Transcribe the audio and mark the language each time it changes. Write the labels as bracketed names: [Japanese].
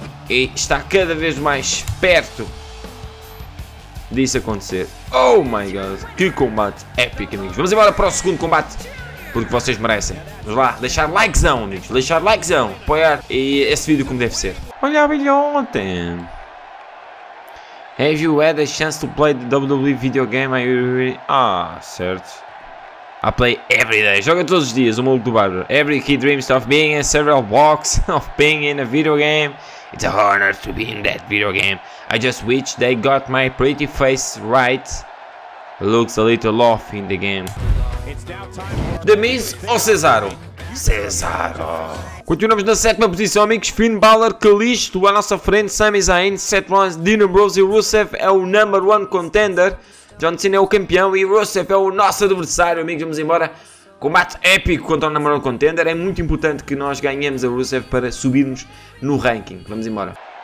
[Portuguese] E está cada vez mais perto disso acontecer. [English] Oh my god, [Portuguese] que combate épico, amigos. Vamos embora para o segundo combate, porque vocês merecem. Vamos lá, deixar likezão, amigos. Deixar likezão, apoiar e esse vídeo como deve ser. Olha a bilhota. [English] Have you had a chance to play the WWE video game? [Portuguese] Ah, certo. [English] I play every day. [Portuguese] Joga todos os dias, o maluco do Bárbaro. Every kid dreams of being in several blocks, of being in a video game. It's a honor to be in that video game. I just wish they got my pretty face right. Looks a little off in the game. The Miz ou Cesaro? Cesaro. Continuamos na 7ª posição, amigos. Finn Balor, Kalisto, à nossa frente. Sami Zayn, Seth Rollins, Dean Ambrose e Rusev é o [English] number one contender. [Portuguese] John Cena é o campeão e Rusev é o nosso adversário, amigos. Vamos embora. Combate épico contra o [English] number one contender. [Portuguese] É muito importante que nós ganhemos a Rusev para subirmos no ranking. Vamos embora.